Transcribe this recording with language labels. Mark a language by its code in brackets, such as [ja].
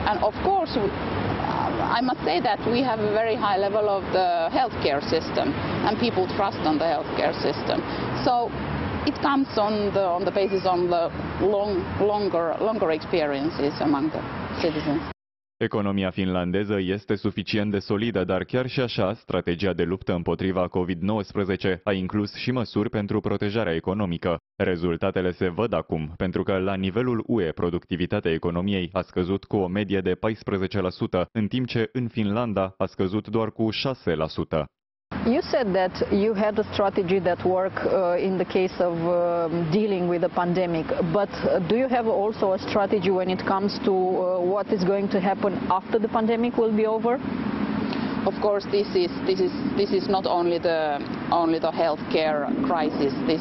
[en] And of course, I must say that we have a very high level of the healthcare system, and people trust on the healthcare system. So it comes on the basis on the longer experiences among the citizens. [ro] Economia finlandeză este suficient de solidă, dar chiar și așa, strategia de luptă împotriva COVID-19 a inclus și măsuri pentru protejarea economică. Rezultatele se văd acum, pentru că la nivelul UE, productivitatea economiei a scăzut cu o medie de 14%, în timp ce în Finlanda a scăzut doar cu 6%. [en] You said that you had a strategy that worked in the case of dealing with the pandemic, but do you have also a strategy when it comes to what is going to happen after the pandemic will be over? Of course, this is not only the healthcare crisis.